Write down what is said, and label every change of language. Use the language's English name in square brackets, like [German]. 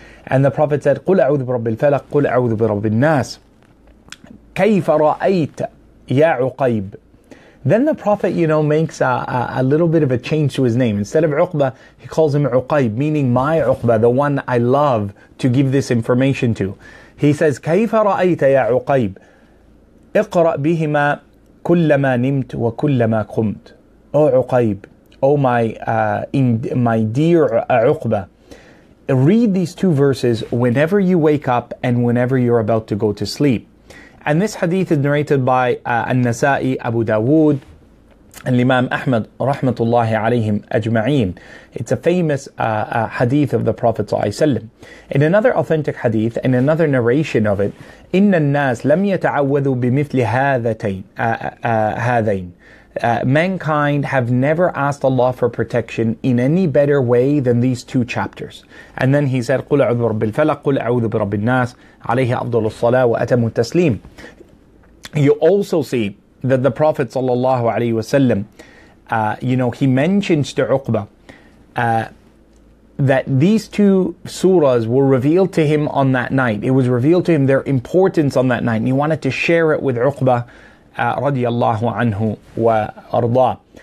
[English] And the Prophet said, [Arabic] Qul a'udhu bi rabbil falaq, qul a'udhu bi rabbil nas. كيف رأيت يا عقيب. [English] Then the Prophet, you know, makes a little bit of a change to his name. Instead of Uqba, he calls him عقيب, meaning my Uqba, the one I love to give this information to. He says, [Arabic] كيف رأيت يا عقيب اقرأ بهما كلما نمت وكلما قمت. [English] O عقيب, O my dear Uqba, read these two verses whenever you wake up and whenever you're about to go to sleep. And this hadith is narrated by An-Nasa'i, Abu Dawood, and Imam Ahmad, [Arabic] rahmatullahi alayhim ajma'in. [English] It's a famous hadith of the Prophet ﷺ. In another authentic hadith, in another narration of it, [Arabic] إِنَّ النَّاسْ لَمْ يَتَعَوَّذُوا بِمِثْلِ هَذَيْنِ. [English] Mankind have never asked Allah for protection in any better way than these two chapters. And then he said, [Arabic] قُلْ أَعُوذُ بِرَبِّ الْفَلَقِ قُلْ أَعُوذُ بِرَبِّ النَّاسِ عَلَيْهِ أَفْضَلُ الصَّلَاةِ وَأَتَمُ التَّسْلِيمِ. [English] You also see that the Prophet sallallahu alaihi wasallam, you know, he mentions to Uqba that these two surahs were revealed to him on that night. It was revealed to him their importance on that night, and he wanted to share it with Uqba, [Arabic] رضي الله عنه وأرضاه.